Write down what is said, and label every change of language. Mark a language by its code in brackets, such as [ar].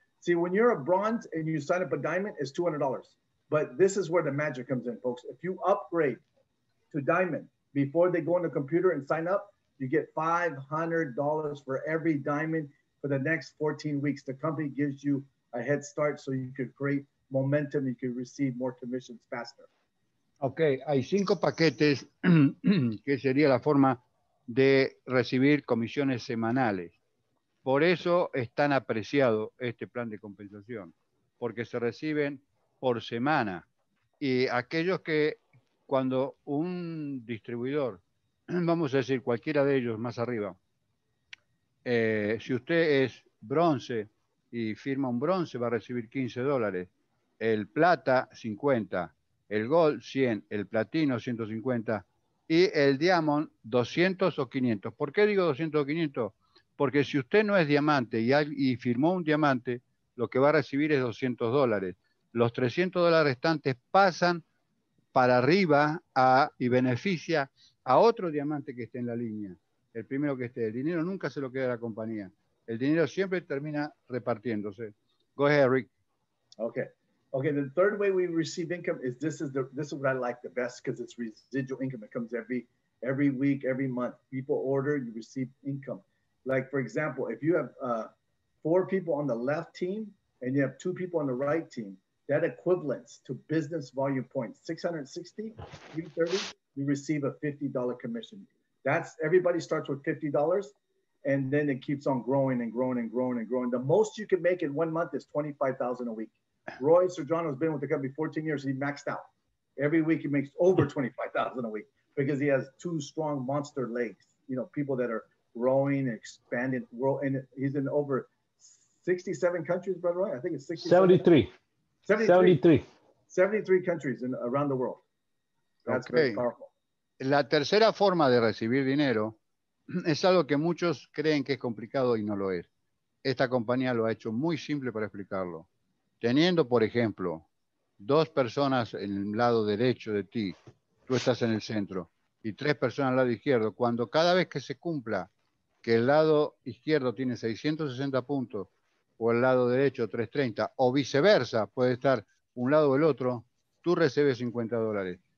[en] See, when you're a bronze and you sign up a diamond, it's $200. But this is where the magic comes in, folks. If you upgrade to diamond, before they go on the computer and sign up, you get $500 for every diamond for the next 14 weeks. The company gives you a head start so you can create momentum, you can receive more commissions faster. [es] Okay, hay 5 paquetes que sería la forma de recibir comisiones semanales. Por eso es tan apreciado este plan de compensación, porque se reciben por semana. Y aquellos que... Cuando un distribuidor, vamos a decir cualquiera de ellos más arriba, si usted es bronce y firma un bronce, va a recibir $15, el plata 50, el gold 100, el platino 150 y el diamond 200 o 500. ¿Por qué digo 200 o 500? Porque si usted no es diamante y firmó un diamante, lo que va a recibir es $200. Los $300 restantes pasan para arriba a, y beneficia a otro diamante que esté en la línea. El primero que esté. El dinero nunca se lo queda a la compañía. El dinero siempre termina repartiéndose. [en] Go ahead, Rick. Okay. Okay, the third way we receive income is this is what I like the best because it's residual income. It comes every week, every month. People order, you receive income. Like, for example, if you have four people on the left team and you have two people on the right team, that equivalents to business volume points, 660, 330, you receive a $50 commission. That's everybody starts with $50 and then it keeps on growing and growing and growing and growing. The most you can make in 1 month is $25,000 a week. Roy Sergiano has been with the company 14 years. He maxed out. Every week he makes over $25,000 a week because he has two strong monster legs, you know, people that are growing, expanding world. And he's in over 67 countries, brother Roy. I think it's 73 countries in, around the world. That's okay. Very powerful. [es] La tercera forma de recibir dinero es algo que muchos creen que es complicado y no lo es. Esta compañía lo ha hecho muy simple para explicarlo. Teniendo, por ejemplo, dos personas en el lado derecho de ti, tú estás en el centro, y tres personas al lado izquierdo, cuando cada vez que se cumpla que el lado izquierdo tiene 660 puntos, o el lado derecho 330, o viceversa, puede estar un lado o el otro, tú recibes $50.